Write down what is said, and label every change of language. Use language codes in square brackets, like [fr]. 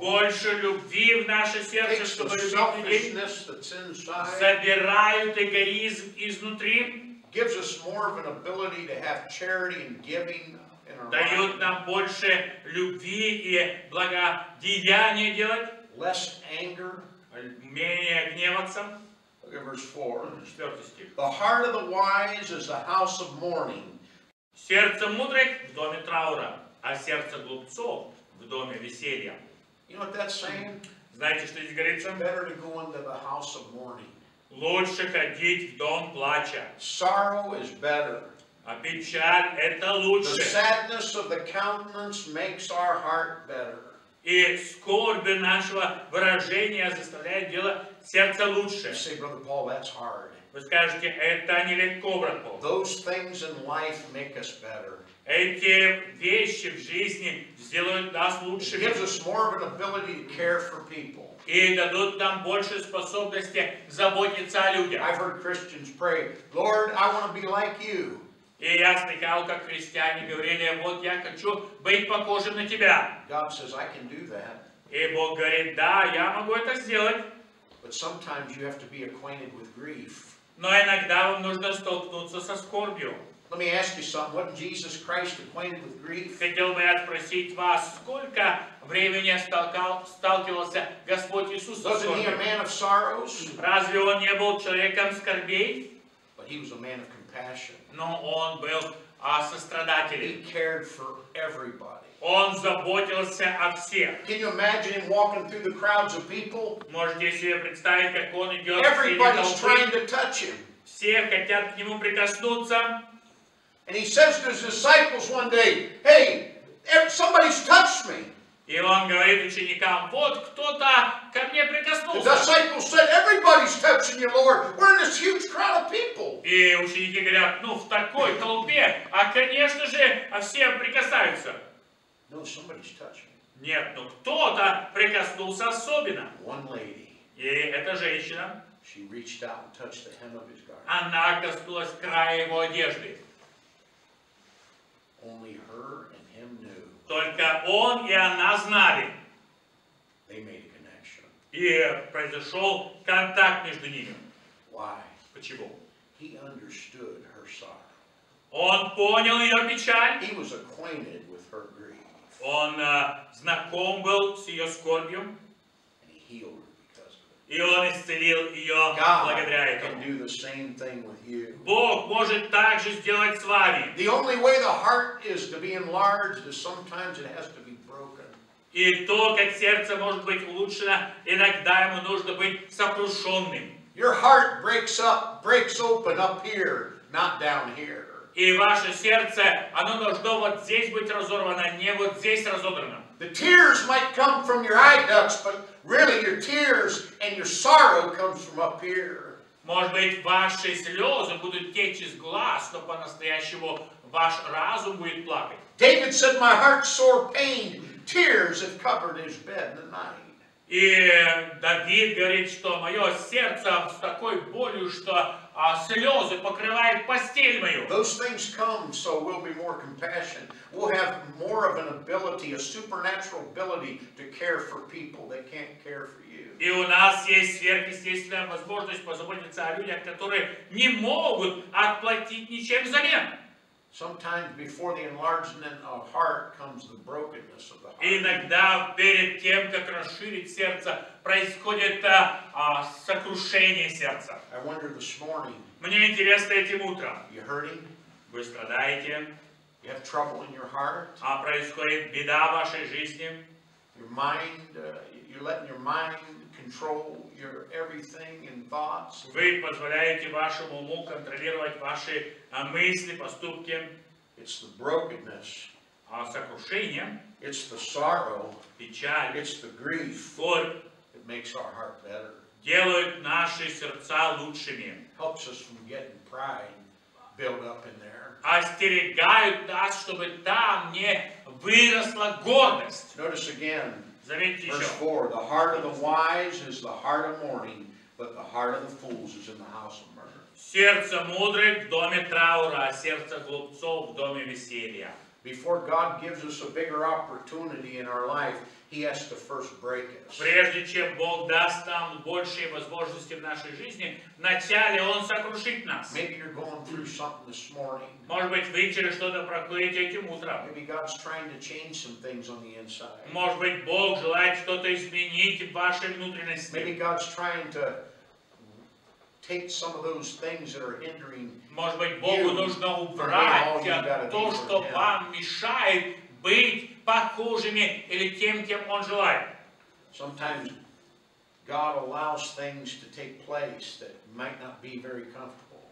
[ru] Больше любви в наше сердце, чтобы любить людей. [en] Takes the selfishness that's inside. [ru] Забирают эгоизм изнутри. [en] Gives us more of an ability to have charity and giving in our life. [ru] Дает нам больше любви и благодеяния делать. [en] Less anger. [ru] Менее гневаться. [en] Look at verse 4. The heart of the wise is a house of mourning. [ru] Сердце мудрых в доме траура, а сердце глупцов в доме веселья. [en] You know what that's saying? [ru] Знаете, что здесь говорится? [en] Better to go into the house of mourning. [ru] Лучше ходить в дом плача. [en] Sorrow is better. [ru] А печаль это лучше. [en] The sadness of the countenance makes our heart better. [ru] И скорбь нашего выражения заставляет делать сердце лучше. [en] You say, Brother Paul, that's hard. [ru] Вы скажете, это нелегко, брат Пол. [en] Those things in life make us better. [ru] Эти вещи в жизни сделают нас лучше. [en] Gives us more of an ability to care for people. [ru] И дадут нам больше способности заботиться о людях. [en] I've heard Christians pray, Lord, I want to be like you. [ru] И я слыхал, как христиане говорили, вот я хочу быть похожим на тебя. [en] God says, I can do that. [ru] И Бог говорит, да, я могу это сделать. [en] But sometimes you have to be acquainted with grief. [ru] Но иногда вам нужно столкнуться со скорбью. [en] Let me ask you something. Wasn't Jesus Christ acquainted with grief? [ru] Хотел бы я спросить вас, сколько времени сталкивался Господь Иисус со скорбью? [en] Wasn't he a man of sorrows? [ru] Разве он не был человеком скорбей? [en] But he was a man of compassion. [ru] Но он был сострадателем. [en] He cared for everybody. [ru] Он заботился о всех. [en] Can you imagine him walking through the crowds of people? [ru] Можете себе представить, как он идет? [en] Everybody's trying to touch him. [ru] Все хотят к нему прикоснуться. [en] And he says to his disciples one day, "Hey, somebody's touched me." [ru] И он говорит ученикам, вот кто-то ко мне прикоснулся. [en] The disciples said, "Everybody's touching you, Lord. We're in this huge crowd of people." [ru] И ученики говорят, ну в такой толпе, а конечно же, все прикасаются. [en] No, somebody's touching. [ru] Нет, но кто-то прикоснулся особенно. [en] One lady. [ru] И эта женщина. [en] She reached out and touched the hem of his garment. [ru] Она коснулась края его одежды. [en] Only her and him knew. [ru] Только он и она знали. [en] They made a connection. [ru] И произошел контакт между ними. [en] Why? [ru] Почему? [en] He understood her sorrow. [ru] Он понял ее печаль. [en] He was acquainted. [ru] Он знаком был с ее скорбью. [en] And he healed her because of it. [ru] И он исцелил ее [en] God [ru] благодаря этому. [en] Can do the same thing with you. [ru] Бог может так же сделать с вами. [en] The only way the heart is to be enlarged is sometimes it has to be broken. [ru] И то, как сердце может быть улучшено, иногда ему нужно быть сокрушенным. [en] Your heart breaks up, breaks open up here, not down here. [ru] И ваше сердце, оно должно вот здесь быть разорвано, не вот здесь разорвано. [en] The tears might come from your eye ducts, but really your tears and your sorrow comes from up here. [ru] Может быть, ваши слезы будут течь из глаз, но по-настоящему ваш разум будет плакать. [en] David said, "My heart sore pained; tears have covered his bed the night." [ru] И Давид говорит, что мое сердце с такой болью, что слезы покрывают постель мою. [en] Those things come, so we'll be more compassionate. We'll have more of an ability, a supernatural ability to care for people that can't care for you. [ru] И у нас есть сверхъестественная возможность позаботиться о людях, которые не могут отплатить ничем взамен. [en] Sometimes before the enlargement of heart comes the brokenness of the heart. [ru] Иногда перед тем, как расширить сердце, происходит сокрушение сердца. [en] I wonder this morning. [ru] Мне интересно этим утром. [en] You hurting? [ru] Вы страдаете? [en] You have trouble in your heart? [ru] А происходит беда в вашей жизни? [en] Your mind, you're letting your mind control your everything and thoughts. [ru] Вы позволяете вашему уму контролировать ваши мысли, поступки. [en] It's the brokenness. [ru] А сокрушение. [en] It's the sorrow. [ru] Печаль. [en] It's the grief. [ru] Горь. [en] It makes our heart better. [ru] Делает наши сердца лучшими. [en] Helps us from getting pride built up in there. [ru] Остерегают нас, чтобы там не выросла гордость. [en] Notice again. [ru] Заметьте еще. [en] Verse 4. The heart of the wise is the heart of mourning, but the heart of the fools is in the house of murder. [ru] Сердце мудрых в доме траура, а сердце глупцов в доме веселья. [en] Before God gives us a bigger opportunity in our life, He has to first break us. [ru] Прежде чем Бог даст нам большие возможности в нашей жизни, вначале Он сокрушит нас. [en] Maybe you're going through something this morning. [ru] Может быть, вы через что-то проходите этим утром. [en] Maybe God's trying to change some things on the inside. [ru] Может быть, Бог желает что-то изменить в вашей внутренности. [en] Maybe God's trying to take some of those things that are hindering you. [ru] Может быть, Богу нужно убрать то, что вам мешает быть похожими или тем, кем Он желает. [en] Sometimes God allows things to take place that might not be very comfortable.